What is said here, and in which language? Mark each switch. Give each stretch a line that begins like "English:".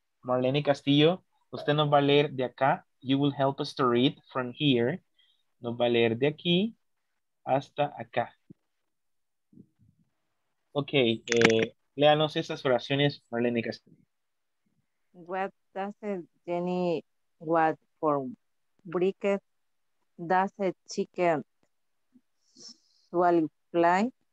Spanish: Marlene Castillo, usted nos va a leer de acá.
English: You will help us to read from here.
Spanish: Nos va a leer de aquí hasta acá. Ok, léanos esas oraciones, Marlene Castillo.
English: What does Jenny want for breakfast? Does a chicken swallow fly?